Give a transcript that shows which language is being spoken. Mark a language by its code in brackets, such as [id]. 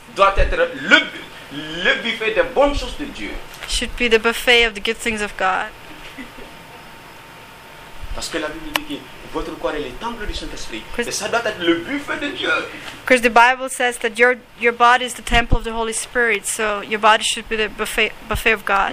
[fr] doit être le buffet des bonnes choses de Dieu. [en] Should be the buffet of the good things of God. [fr] Parce que la Bible dit que votre corps est le temple du Saint-Esprit. Et ça doit être le buffet de Dieu. [en] Because the Bible says that your body is the temple of the Holy Spirit, so your body should be the buffet of God.